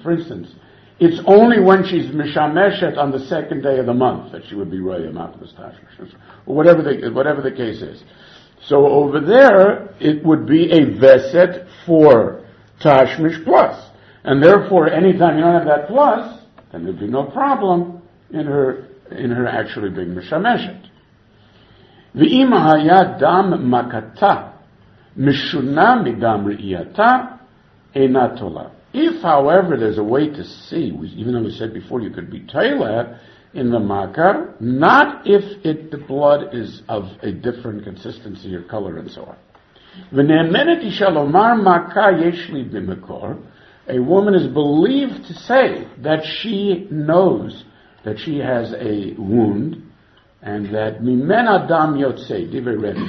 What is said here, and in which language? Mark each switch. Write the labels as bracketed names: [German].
[English] For instance, it's only when she's mishameshet on the second day of the month that she would be [Hebrew] roev machmas tashmish, [English] or whatever the case is. So over there, it would be a veset for tashmish plus. And therefore, anytime you don't have that plus, then there'd be no problem in her actually being mishameshet. [Hebrew] ואם היה דם מכתה משונה מדם ראייתה, אינה תולה. [English] If, however, there's a way to see, even though we said before you could be tola in the makar, not if it, the blood is of a different consistency or color and so on. [Hebrew] V'ne'emenet ishalomar makar yeshli b'mekor, [English] a woman is believed to say that she knows that she has a wound, and that [Hebrew] mimen adam yotze, divrei Rebbe.